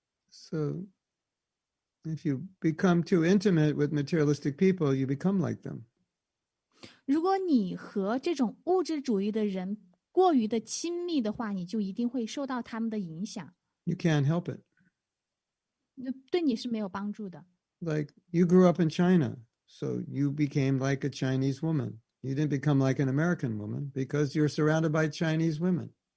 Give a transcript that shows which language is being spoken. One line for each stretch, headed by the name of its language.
English: So if you become too intimate with materialistic people, you become like them.
Chinese: 如果你和这种物质主义的人 过于的亲密的话，你就一定会受到他们的影响。
English: You can't help it.
Chinese: 对你是没有帮助的。
English: Like you grew up in China, so you became like a Chinese woman. You didn't become like an American woman because you're surrounded by Chinese women.